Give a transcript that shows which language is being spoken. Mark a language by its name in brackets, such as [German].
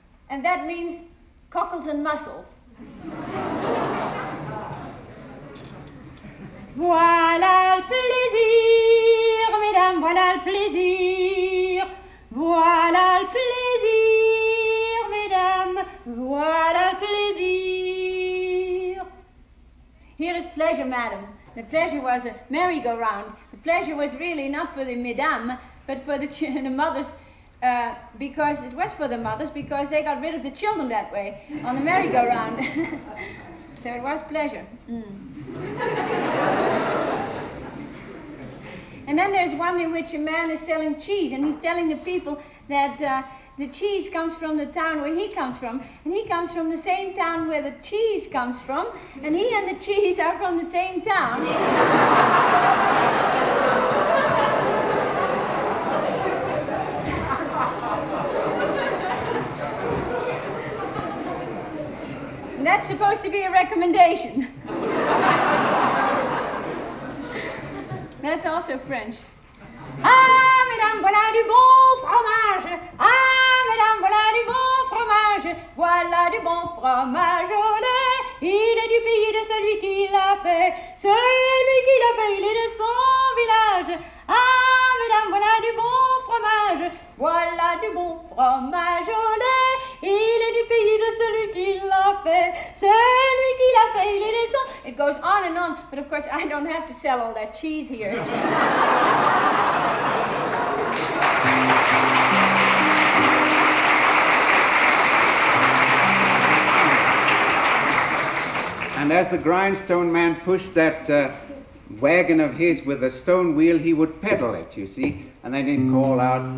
[English] And that means cockles and mussels. [French] Voilà le plaisir, mesdames, voilà le plaisir. Voilà le plaisir, mesdames, voilà le plaisir. [English] Here is pleasure, madam. The pleasure was a merry-go-round. The pleasure was really not for the mesdames, but for the mothers, because it was for the mothers, because they got rid of the children that way, on the merry-go-round. So it was pleasure. And then there's one in which a man is selling cheese, and he's telling the people that the cheese comes from the town where he comes from, and he comes from the same town where the cheese comes from, and he and the cheese are from the same town. And that's supposed to be a recommendation. That's also French. [French] Ah, mesdames, voilà du bon fromage. Ah, mesdames, voilà du bon fromage. Voilà du bon fromage au lait. Il est du pays de celui qui l'a fait. Celui qui l'a fait, il est de son village. Ah, mesdames, voilà du bon fromage. Voilà du bon fromage au lait. Il est du pays de celui qui l'a fait. Celui qui l'a fait, il est de son... [English] It goes on and on, but of course I don't have to sell all that cheese here. And as the grindstone man pushed that wagon of his with a stone wheel, he would pedal it, you see, and then he'd call out,